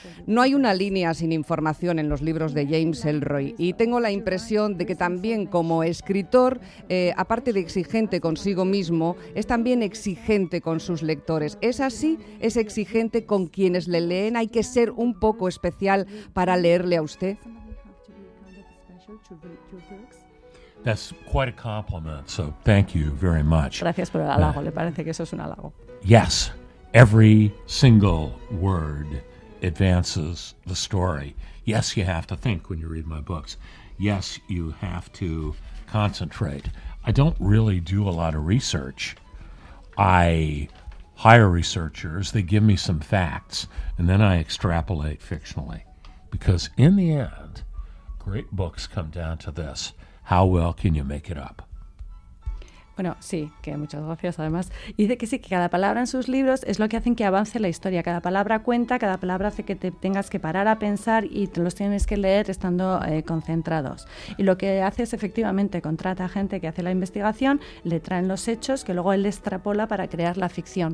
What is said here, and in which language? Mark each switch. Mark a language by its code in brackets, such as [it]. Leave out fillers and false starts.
[es] No hay una línea sin información en los libros de James Ellroy y tengo la impresión de que también como escritor, aparte de exigente consigo mismo, es también exigente con sus lectores. ¿Es así? ¿Es exigente con quienes le leen? ¿Hay que ser un poco especial para leerle a usted? [en] That's quite a compliment, so thank you very much. [es] Gracias por el halago, le parece que eso es un halago. [en] Yes, every single word advances the story. Yes, you have to think when you read my books. Yes, you have to concentrate. I don't really do a lot of research. I hire researchers, they give me some facts, and then I extrapolate fictionally. Because in the end, great books come down to this. How well can you make it up? [es] Bueno, sí, que muchas gracias además. Y dice que sí, que cada palabra en sus libros es lo que hacen que avance la historia. Cada palabra cuenta, cada palabra hace que te tengas que parar a pensar y te los tienes que leer estando concentrados. Y lo que hace es efectivamente contrata a gente que hace la investigación, le traen los hechos que luego él extrapola para crear la ficción.